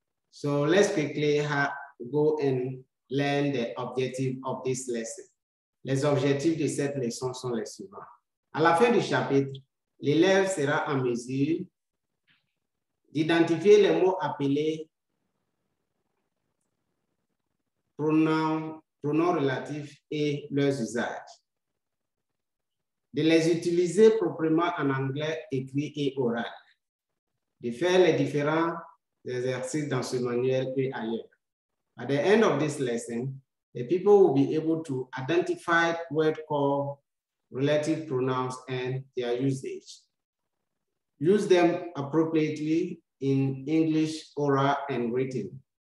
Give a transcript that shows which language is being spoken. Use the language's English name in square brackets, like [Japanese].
[English] So let's quickly go and learn the objective of this lesson. [French] Les objectifs de cette leçon sont les suivants. À la fin du chapitre, l'élève sera en mesure d'identifier les mots appelés pronoms relatifs et leurs usages, de les utiliser proprement en anglais écrit et oral, de faire les différents exercices dans ce manuel et ailleurs. [English] At the end of this lesson, the people will be able to identify what call relative pronouns and their usage. Use them appropriately in English, oral, and written.